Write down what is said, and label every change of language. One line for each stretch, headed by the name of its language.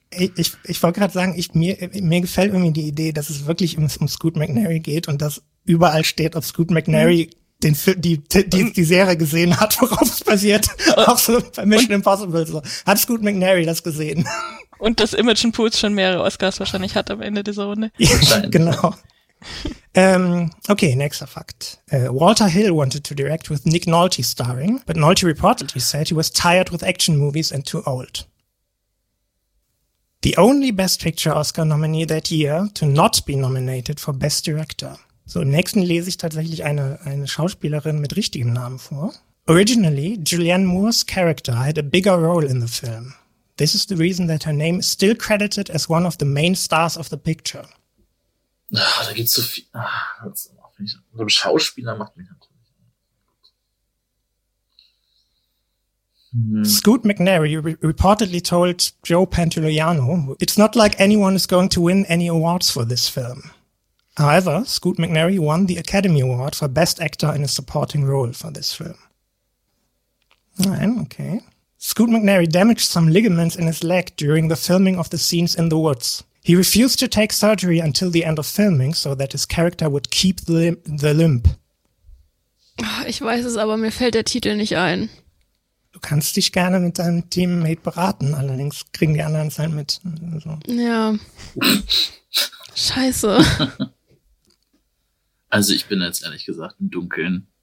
German: Ich wollte gerade sagen, mir gefällt irgendwie die Idee, dass es wirklich um Scoot McNairy geht und dass überall steht, ob Scoot McNairy die Serie gesehen hat, worauf es basiert. Auch so bei Mission Impossible. So. Hat Scoot McNairy das gesehen? Und das Imogen Poots schon mehrere Oscars wahrscheinlich hat am Ende dieser Runde. Ja, genau. Okay, nächster Fakt.
English: Walter Hill wanted to direct with Nick Nolte starring, but Nolte reportedly said he was tired with action movies and too old. The only Best Picture Oscar nominee that year to not be nominated for Best Director.
German: So, im nächsten lese ich tatsächlich eine Schauspielerin mit richtigem Namen vor.
English: Originally, Julianne Moore's character had a bigger role in the film. This is the reason that her name is still credited as one of the main stars of the picture.
German: Ach, da gibt's so viel. Ach, das ist, ein Schauspieler macht mich natürlich.
English: Scoot McNairy reportedly told Joe Pantoliano, "It's not like anyone is going to win any awards for this film." However, Scoot McNairy won the Academy Award for Best Actor in a Supporting Role for this film.
German: Nein, okay.
English: Scoot McNairy damaged some ligaments in his leg during the filming of the scenes in the woods. He refused to take surgery until the end of filming, so that his character would keep the limp.
German: Ich weiß es, aber mir fällt der Titel nicht ein. Du kannst dich gerne mit deinem Teammate beraten, allerdings kriegen die anderen es halt mit. So. Ja. Scheiße. Also ich bin jetzt ehrlich gesagt im Dunkeln.